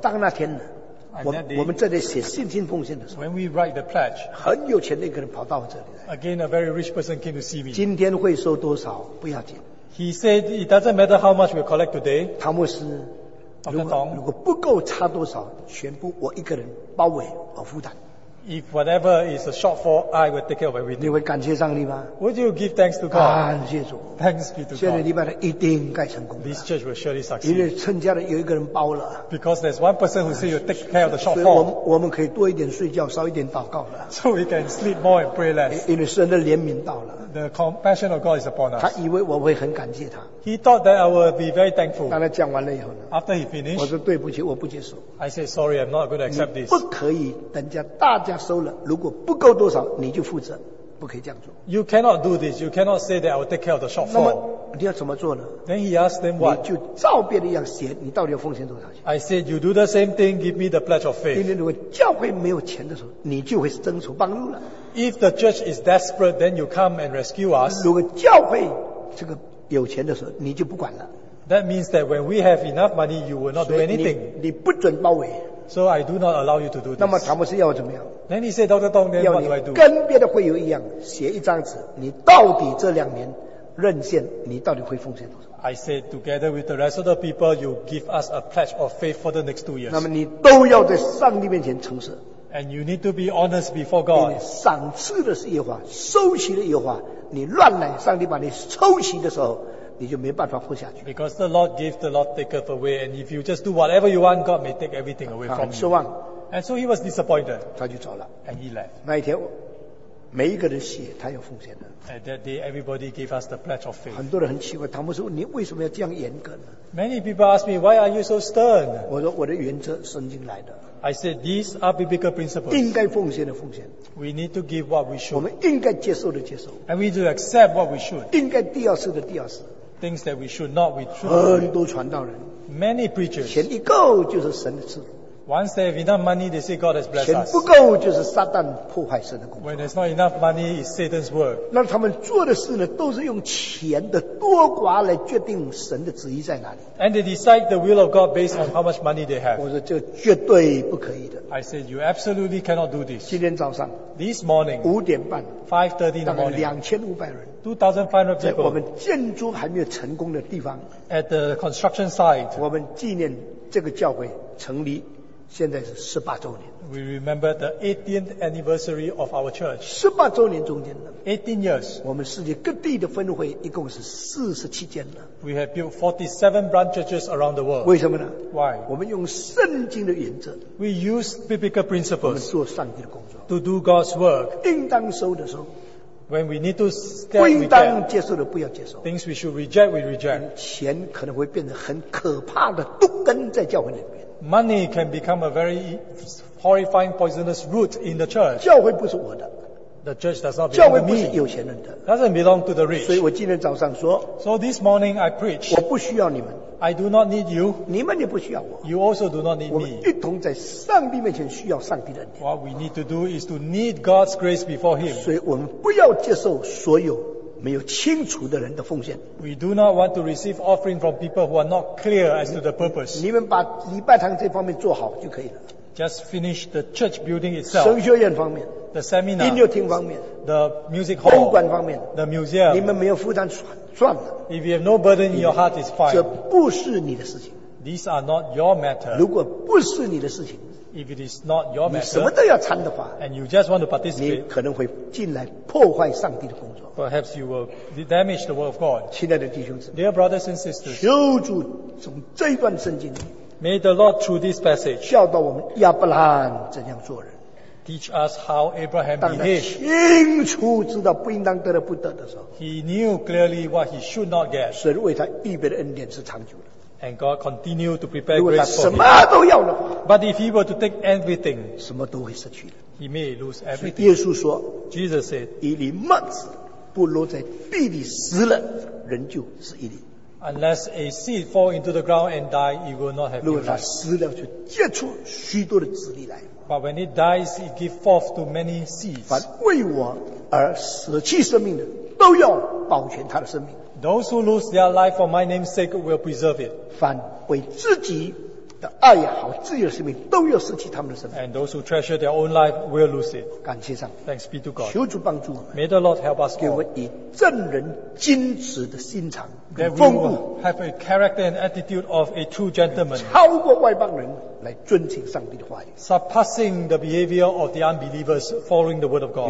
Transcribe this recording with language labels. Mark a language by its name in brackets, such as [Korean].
[Chinese] 当那天呢？我们这里写信心奉献的时候 [English] ，When we write the pledge, [Chinese] 很有钱的一个人跑到我这里来。 [English] Again, a very rich person came to see me. [Chinese] 今天会收多少不要紧。 [English] He said it doesn't matter how much we collect today. [Chinese] 汤姆斯，如果不够差多少，全部我一个人包围我负担。 [English] If whatever is a shortfall, I will take care of everything. [Chinese] 你会感谢上帝吗 [English] ？Would you give thanks to God? [Chinese] 感谢主。 [English] Thanks be to God. [Chinese] 现在礼拜天一定该成功。 [English] This church will surely succeed. [Chinese] 因为参加的有一个人包了。 [English] Because there's one person who said you'll take care of the shortfall. [Chinese] 所以我们可以多一点睡觉，少一点祷告了。 [English] So we can sleep more and pray less. [Chinese] 因为神的怜悯到了。 [English] The compassion of God is upon us. [Chinese] 他以为我会很感谢他。 [English] He thought that I would be very thankful. [Chinese] 当他讲完了以后呢 [English] ？After he finished, [Chinese] 我说对不起，我不接受。 [English] I said sorry, I'm not going to accept this. [Chinese] 不可以，等下大家。收了，如果不够多少，你就负责，不可以这样做。 [English] You cannot do this. You cannot say that I will take care of the shortfall. [Chinese] 那么你要怎么做呢 [English] ？Then he asked them what. [Chinese] 你就照别人一样写，你到底要奉献多少钱 [English] ？I said you do the same thing. Give me the pledge of faith. [Chinese] 因为如果教会没有钱的时候，你就会伸出帮助了。 [English] If the church is desperate, then you come and rescue us. [Chinese] 如果教会这个有钱的时候，你就不管了。 [English] That means that when we have enough money, you will not do anything. [Chinese] 你不准包围。 [English] So I do not allow you to do this. [Chinese] 那么他们是要我怎么样？ [English] Then he said, Dr. Tong, then what do I do? [Chinese] 要你跟别的会友一样，写一张纸，你到底这两年任现，你到底会奉献多少 [English] ？I said, together with the rest of the people, you give us a pledge of faith for the next 2 years. [Chinese] 那么你都要在上帝面前诚实。 [English] And you need to be honest before God. [Chinese] 你赏赐的是耶和华，收起的耶和华，你乱来，上帝把你抽起的时候。你就没办法活下去。 [English] Because the Lord gives, the Lord taketh away, and if you just do whatever you want, God may take everything away from you. [Chinese] 失望。 [English] And so he was disappointed. [Chinese] 他就走了。 [English] And he left. [Chinese] 那一天，每一个人写他要奉献的。 [English] At that day, everybody gave us the pledge of faith. [Chinese] 很多人很奇怪，唐牧师，你为什么要这样严格呢？ [English] Many people ask me, why are you so stern? [Chinese] 我说我的原则圣经来的。 [English] I said these are biblical principles. [Chinese] 应该奉献的奉献。 [English] We need to give what we should. [Chinese] 我们应该接受的接受。 [English] And we need to accept what we should. [Chinese] 应该第二次的第二次。 [English] Things that we should not, we should. [Chinese] 很多传道人。 [English] Many preachers. [Chinese] 钱一够就是神的赐福。 [English] Once they have enough money, they say God has blessed us. [Chinese] 钱不够就是撒旦破坏神的工作。 [English] When there's not enough money, it's Satan's work. [Chinese] 那他们做的事呢，都是用钱的多寡来决定神的旨意在哪里。 [English] And they decide the will of God based on how much money they have. [Chinese] 我说这绝对不可以的。 [English] I said you absolutely cannot do this. [Chinese] 今天早上 [English] ，this morning， [Chinese] 五点半 [English] ，5:30 in the morning， [Chinese] 2500人。 [English] 2500 people [Chinese] 在我们建筑还没有成功的地方 [English] ，at the construction site， [Chinese] 我们纪念这个教会成立，现在是十八周年。 [English] We remember the 18th anniversary of our church。 [Chinese] 十八周年中间的 [English] 18 years， [Chinese] 我们世界各地的分会一共是47间了。 [English] We have built 47 branch churches around the world。 [Chinese] 为什么呢 [English] ？Why？ [Chinese] 我们用圣经的原则。 [English] We use biblical principles。 [Chinese] 我们做上帝的工作。 [English] To do God's work。 [Chinese] 应当收的收。 [English] When we need to get, [Chinese] 不应当接受的不要接受。 [English] Things we should reject, we reject. [Chinese] 钱可能会变成很可怕的毒根在教会里面。 [English] Money can become a very horrifying, poisonous root in the church. [Chinese] 教会不是我的。 [English] The church does not belong to me. [Chinese] 教会不是有钱人的。 [English] Doesn't belong to the rich. [Chinese] 所以我今天早上说。 [English] So this morning I preach. [Chinese] 我不需要你们。 [English] I do not need you. [Chinese] 你们也不需要我。 [English] You also do not need me. [Chinese] 我们一同在上帝面前需要上帝的恩典。 [English] What we need to do is to need God's grace before Him. [Chinese] 所以我们不要接受所有没有清楚的人的奉献。 [English] We do not want to receive offering from people who are not clear as to the purpose. [Chinese] 你们把礼拜堂这方面做好就可以了。 [English] Just finish the church building itself. [Chinese] 神学院方面。 [English] The seminar. [Chinese] 音乐厅方面。 [English] The music hall. [Chinese] 博物馆方面。 [English] The museum. [Chinese] 你们没有负担算。 [English] If you have no burden in your heart, it's fine. [Chinese] 这不是你的事情。 [English] These are not your matter. [Chinese] 如果不是你的事情 [English] ，If it is not your matter, [Chinese] 你什么都要掺的话 [English] ，And you just want to participate, [Chinese] 你可能会进来破坏上帝的工作。 [English] Perhaps you will damage the work of God. [Chinese] 亲爱的弟兄姊妹 [English] ，Dear brothers and sisters, [Chinese] 求主从这一段圣经里 [English] ，May the Lord through this passage [Chinese] 教导我们亚伯拉罕怎样做人 [English] ，Teach us how Abraham behaved. [Chinese] 当他清楚知道不应当得的不得的时候。 [English] He knew clearly what he should not get. [Chinese] 神为他预备的恩典是长久的。 [English] And God continued to prepare grace for him. [Chinese] 如果他什么都要的话。 [English] But if he were to take everything, [Chinese] 什么都会失去的。 [English] He may lose everything. [Chinese] 所以耶稣说 [English] ，Jesus said, [Chinese] 一粒麦子不落在地里死了，仍旧是一粒。 [English] Unless a seed fall into the ground and die, it will not have life. [Chinese] 如果他死了，就结出许多的子粒来。 [English] But when it dies, it gives forth to many seeds. [Chinese] 凡为我而舍弃生命的，都要保全他的生命。 [English] Those who lose their life for my name's sake will preserve it. [Chinese] 凡为自己的爱好、自己的生命，都要舍弃他们的生命。 [English] And those who treasure their own life will lose it. [Chinese] 感谢上帝。 [English] Thanks be to God. [Chinese] 求主帮助我们。 [English] May the Lord help us. [Chinese] 给我们以正人君子的心肠。 [English] That we will have a character and attitude of a true gentleman. [Chinese] 超过外邦人。来遵行上帝的话语 [English] surpassing the behavior of the unbelievers following the word of God.